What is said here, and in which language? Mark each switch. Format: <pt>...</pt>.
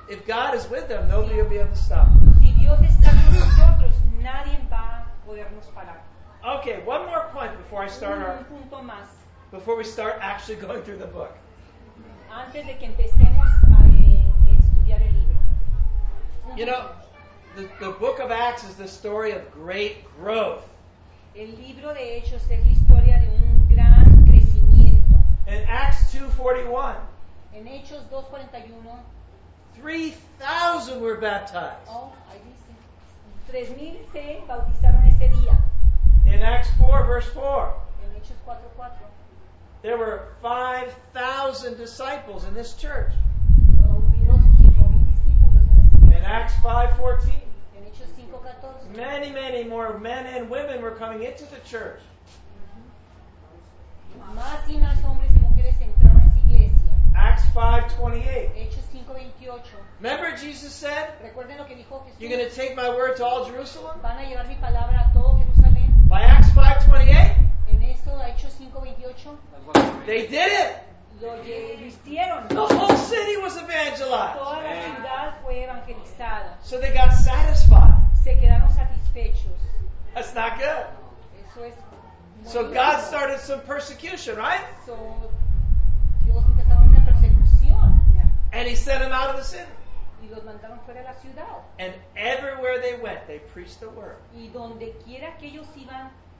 <en>if God is with them, nobody will be able to stop.</en> <es>Si Dios está con nosotros, nadie va a podernos parar.</es> <en>Okay, one more point before I start</en> <es>un punto más.</es> <en>Before we start actually going through the book.</en> <es>Antes de que empecemos a estudiar el libro.</es> <en>You know, the book of Acts is the story of great growth.</en> <es>El libro de Hechos es la historia de un gran crecimiento.</es> <en>In Acts 2:41.</en> <es>En Hechos 2:41.</es> <en>3,000 were baptized. Oh, I see.</en> <es>3,000 se bautizaron ese día.</es> <en>In Acts 4, verse 4.</en> <es>En Hechos 4:4.</es> <en>There were 5,000 disciples in this church.</en> <es>Hubieron 5,000 discípulos en ese.</es> <en>In Acts 5:14.</en> <es>En Hechos 5:14.</es> <en>Many, many more men and women were coming into the church.</en> <es>Más y más hombres y mujeres entraron a esa iglesia.</es> <en>Acts 5:28. Remember Jesus said,</en> <es>recuerden lo que dijo Jesús,</es> <en>you're going to take my word to all Jerusalem?</en> <es>Van a llevar mi palabra a todo Jerusalén.</es> <en>By Acts 5:28?</en> <es>En esto, Hechos 5:28.</es> <en>They did it.</en> <es>Lo vistieron.</es> <en>The whole city was evangelized.</en> <es>Toda la ciudad fue evangelizada.</es> <en>So they got satisfied.</en> <es>Se quedaron satisfechos.</es> <en>That's not good.</en> <es>Eso es.</es> <en>So God started some persecution, right?</en> <es>So Dios empezó una persecución.</es> <en>Yeah. And he sent them out of the city.</en> <es>Y los mandaron fuera de la ciudad.</es> <en>And everywhere they went, they preached the word.</en> <es>Y donde quiera que ellos iban,</es>